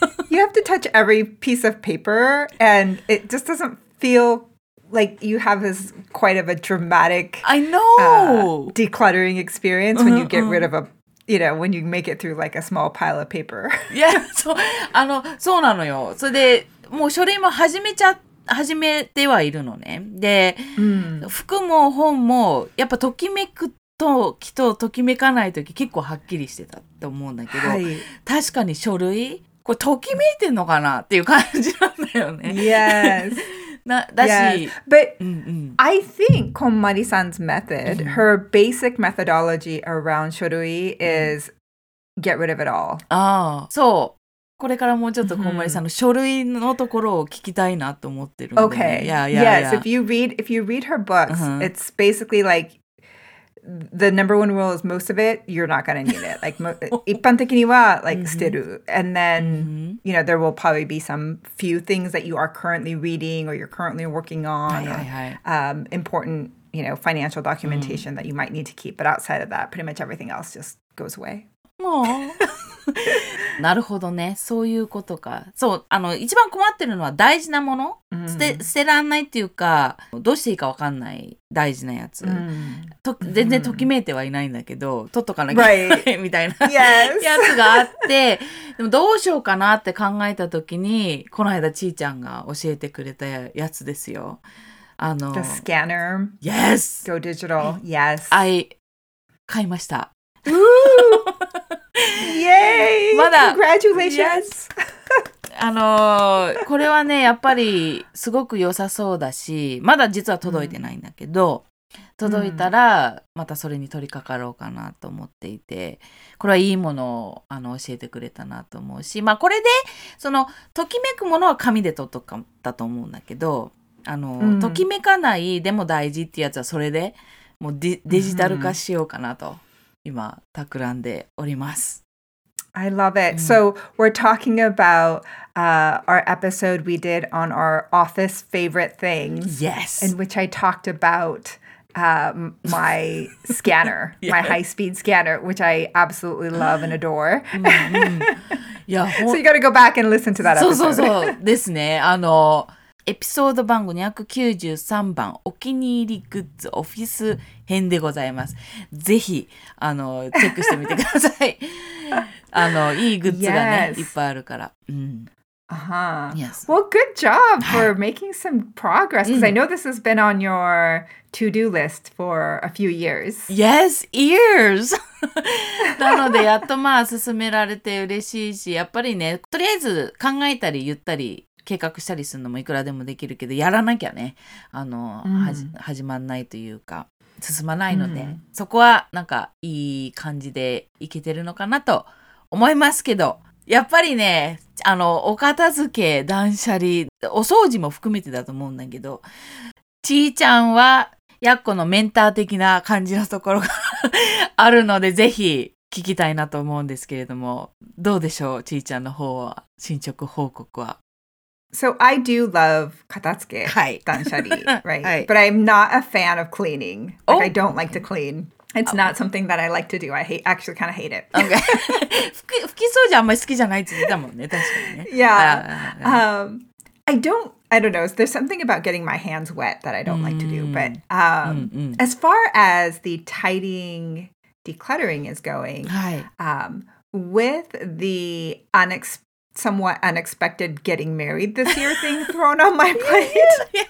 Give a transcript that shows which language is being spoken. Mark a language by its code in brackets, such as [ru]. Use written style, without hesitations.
[en] You have to touch every piece of paper and it just doesn't feel like you have this quite of a dramatic I know decluttering experience when you get rid of a you know when you make it through like a small pile of paper. Yeah, so [ja] あのそうなのよ。それでもう書類も始めてはいるのね。で、服も本もやっぱときめくときとときめかないとき結構はっきりしてたと思うんだけど、確かに書類これときめいてんのかなっていう感じなんだよね。 [en] Yes. But I think Komari-san's method, her basic methodology around shorui is get rid of it all. [ja] Ah, so, これからもうちょっとこんまりさんの書類のところを聞きたいなと思ってるんで。 [en] Okay. Yeah, yeah, yes, yeah. if you read her books, it's basically like the number one rule is most of it, you're not going to need it. Like, [ja] 一般的には [en] like, [ja] 捨てる。 [en] And then, you know, there will probably be some few things that you are currently reading or you're currently working on, important, you know, financial documentation that you might need to keep. But outside of that, pretty much everything else just goes away. [ja] Aww. なるほどね。そういうことか。そう、あの、一番困ってるのは大事なもの、 [en] mm-hmm. [ja] 捨てらんないっていうか、どうしていいか分かんない大事なやつ。 [en] Mm-hmm. [ja] 全然ときめいてはいないんだけど、取っとかなきゃいけないみたいな、 [en] yes. [ja] やつがあって、でもどうしようかなって考えたときに、この間ちーちゃんが教えてくれたやつですよ。あの、 [en] The scanner. Yes! Go digital. Yes. [ja] I 買いました。 [en] Yay! [ja] まだ、 [en] Congratulations! Yes. [ja] あの、これはね、やっぱりすごく良さそうだし、まだ実は届いてないんだけど、mm. 届いたらまたそれに取り掛かろうかなと思っていて、これはいいものをあの教えてくれたなと思うし、まあこれで、その、ときめくものは紙で取っとくかだと思うんだけど、あの、mm. ときめかないでも大事ってやつはそれでもう デジタル化しようかなと。 Mm. 今企んでおります。 [en] I love it. So we're talking about our episode we did on our office favorite things. Yes. In which I talked about my scanner, yes. my high-speed scanner, which I absolutely love and adore. Yeah. So you got to go back and listen to that episode. [ja] そうそうそう。ですね。あの、エピソード番号293番、お気に入りグッズオフィス編でございます。ぜひ、あの、チェックしてみてください。あの、いいグッズがね、 [en] yes. [ja] いっぱいあるから。 [en] Uh-huh. Yes. Well, good job for making some progress, because I know this has been on your to-do list for a few years. Yes, years! [ja] なので、やっとまあ、進められて嬉しいし、やっぱりね、とりあえず考えたり言ったり、計画したりするのもいくらでもできるけど、やらなきゃね、あの、mm. 始まんないというか、進まないので、mm. そこはなんかいい感じでいけてるのかなと思いますけど、やっぱりね、あの、お片付け、断捨離、お掃除も含めてだと思うんだけど、ちーちゃんはやっこのメンター的な感じのところがあるので、ぜひ聞きたいなと思うんですけれども、どうでしょう、ちーちゃんの方は、進捗報告は。 [en] So I do love katatsuke, danshari, right? But I'm not a fan of cleaning. Like, I don't like to clean. It's not something that I like to do. I actually kind of hate it. Okay. [ja] 拭き掃除あんまり好きじゃないって言ったもんね、確かにね。 [en] Yeah. I don't know. There's something about getting my hands wet that I don't like to do. But as far as the tidying, decluttering is going, with the somewhat unexpected getting married this year thing thrown on my plate.